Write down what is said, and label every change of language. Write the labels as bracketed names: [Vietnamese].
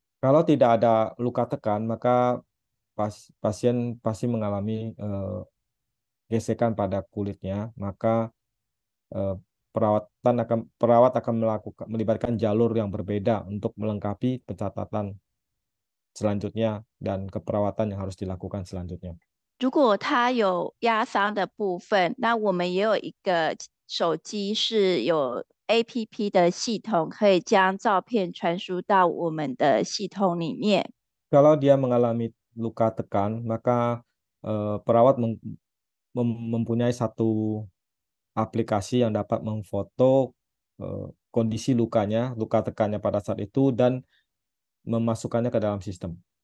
[Indonesian] Kalau tidak ada luka tekan, maka pasien pasti mengalami gesekan pada kulitnya, maka perawat akan melakukan melibatkan jalur yang berbeda untuk melengkapi pencatatan selanjutnya dan keperawatan yang harus dilakukan selanjutnya. [Chinese] 如果他有压伤的部分，那我们也有一个手机是有 APP 的系统，可以将照片传输到我们的系统里面。 [Indonesian] Kalau dia mengalami luka tekan, maka perawat mempunyai satu aplikasi yang dapat memfoto kondisi lukanya, luka tekannya pada saat itu, dan memasukkannya ke dalam sistem.